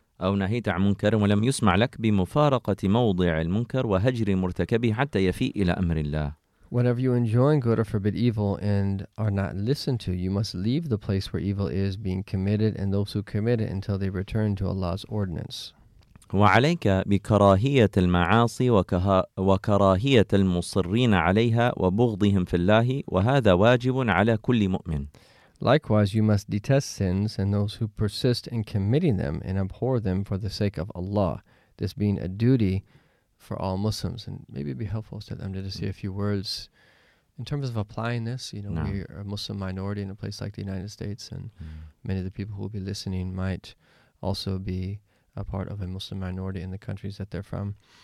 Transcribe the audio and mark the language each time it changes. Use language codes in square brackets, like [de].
[ar] أو نهيت عن منكر ولم يسمع لك بمفارقة موضع المنكر وهجر مرتكبه حتى يفي إلى أمر الله. [en] Whenever you enjoin good or forbid evil and are not listened to, you must leave the place where evil is being committed and those who commit it until they return to Allah's ordinance. [ar] وعليك بكراهية المعاصي وكراهية المصرين عليها وبغضهم في الله وهذا واجب على كل مؤمن. [en] Likewise, you must detest sins and those who persist in committing them and abhor them for the sake of Allah. This being a duty for all Muslims. And maybe it'd be helpful to them to say a few words in terms of applying this. You know, no. We are a Muslim minority in a place like the United States, and many of the people who will be listening might also be a part of a Muslim minority in the countries that they're from.